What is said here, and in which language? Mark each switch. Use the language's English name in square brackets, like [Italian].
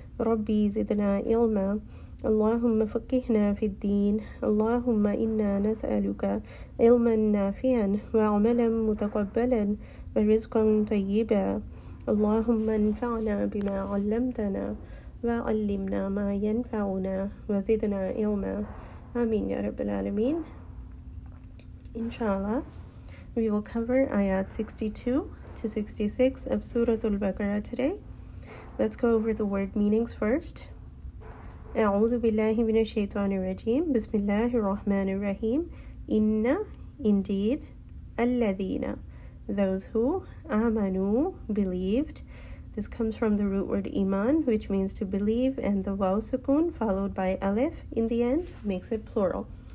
[Arabic] ربي زدنا علما، اللهم فقهنا في الدين، اللهم إنا نسألك علما نافعا وعملا متقبلا ورزقا طيبا. اللهم انفعنا بما علمتنا وعلمنا ما ينفعنا وزدنا علما. آمين يا رب العالمين. [English] Inshallah, we will cover ayat 62 to 66 of Surah Al-Baqarah today. Let's go over the word meanings first. [Arabic] أعوذ بالله من الشيطان الرجيم. بسم الله الرحمن الرحيم. [English] إن indeed الذين those who amanu believed. This comes from the root word iman, which means to believe, and the waw sukun followed by alif in the end makes it plural.